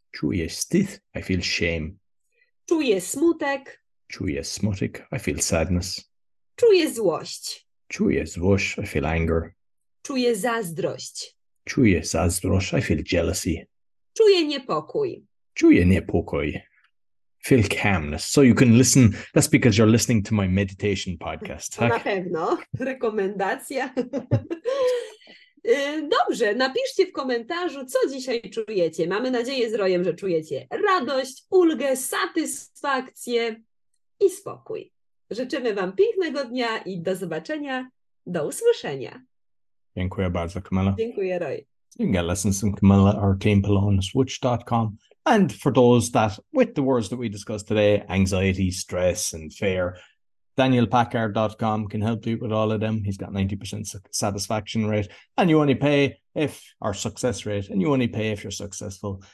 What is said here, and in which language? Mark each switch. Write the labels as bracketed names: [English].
[Polish] Czuję wstyd. [English] I feel shame. [Polish] Czuję smutek. Czuję smutek. [English] I feel sadness. [Polish] Czuję złość. Czuję złość. [English] I feel anger. [Polish] Czuję zazdrość. Czuję zazdrość, [English] I feel jealousy. [Polish] Czuję niepokój. Czuję niepokój. [English] Feel calmness. So you can listen, that's because you're listening to my meditation podcast. [Polish] Tak? Na pewno, rekomendacja. Dobrze, napiszcie w komentarzu, co dzisiaj czujecie. Mamy nadzieję z Rojem, że czujecie radość, ulgę, satysfakcję i spokój. Życzymy Wam pięknego dnia i do zobaczenia, do usłyszenia. Dziękuję bardzo, Kamila. Dziękuję, Roy. [English] You can get lessons from Kamila or Team Pilonis, Uczucia.com. And for those that, with the words that we discussed today, anxiety, stress, and fear, DanielPackard.com can help you with all of them. He's got 90% satisfaction rate. And you only pay if, our success rate, and you only pay if you're successful.